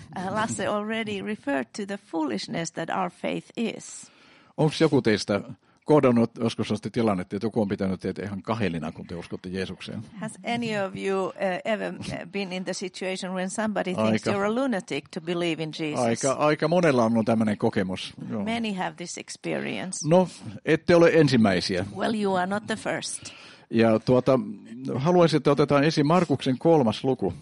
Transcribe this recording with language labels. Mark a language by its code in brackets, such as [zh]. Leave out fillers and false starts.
[en] Lasse already referred to the foolishness that our faith is. [fi] Onko joku teistä kohdannut joskus sellaista tilannetta, että joku on pitänyt teitä ihan kahelina, kun te uskotte Jeesukseen? [en] Has any of you ever been in the situation when somebody thinks you're a lunatic to believe in Jesus? [fi] Aika monella on tämmöinen kokemus. [en] Joo. Many have this experience. [fi] No, ette ole ensimmäisiä. [en] Well, you are not the first. [fi] Ja haluaisin, että otetaan esiin Markuksen 3. luku.